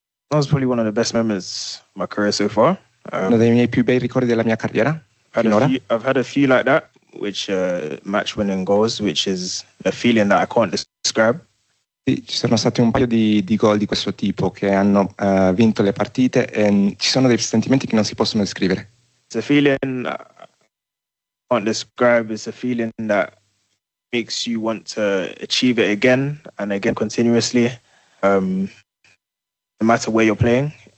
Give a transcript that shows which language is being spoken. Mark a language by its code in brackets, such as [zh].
[en] That was probably one of the best moments of my career so far. [it] Uno dei miei più bei ricordi della mia carriera. [en] I've had a few like that, which match winning goals, which is a feeling that I can't describe. [it] Sì, ci sono stati un paio di gol di questo tipo che hanno vinto le partite e ci sono dei sentimenti che non si possono descrivere. [en] It's a feeling I can't describe. It's a feeling that makes you want to achieve it again and again continuously, no matter where you're playing.